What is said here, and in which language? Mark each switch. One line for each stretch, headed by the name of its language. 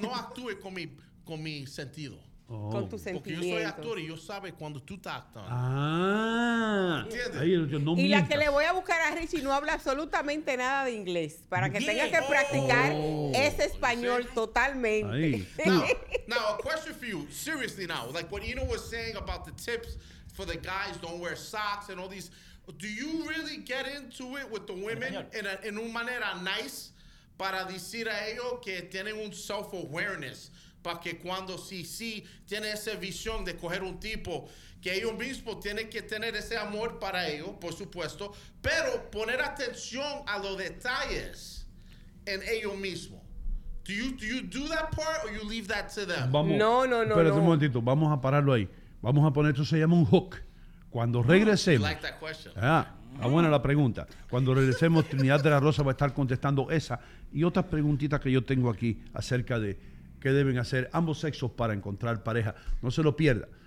Spanish: No actúes con mi sentido. Oh. Con tu sentimiento. Porque yo soy actor y yo sabe cuando tú estás actuando. Ah. ¿Entiendes? Ahí, no y mientas. La que le voy a buscar a Richie no habla absolutamente nada de inglés. Para que tenga que practicar ese español totalmente. Ahí.
English: Now, a question for you. Seriously now. Like what Eno was saying about the tips for the guys don't wear socks and all these. Do you really get into it with the women in
Spanish: una manera nice para decir a ellos que tienen un
English: self-awareness?
Spanish: Para que cuando sí tiene esa visión de coger un tipo, que ellos mismos tienen que tener ese amor para ellos, por supuesto, pero poner atención a los detalles en ellos mismos.
English: Do you do that part or you leave that to them?
Spanish: Vamos. No. Espérate un momentito, vamos a pararlo ahí. Vamos a poner, esto se llama un hook. Cuando regresemos.
English: I like that question.
Spanish: Está buena la pregunta. Cuando regresemos, Trinidad de la Rosa va a estar contestando esa y otras preguntitas que yo tengo aquí acerca de qué deben hacer ambos sexos para encontrar pareja. No se lo pierda.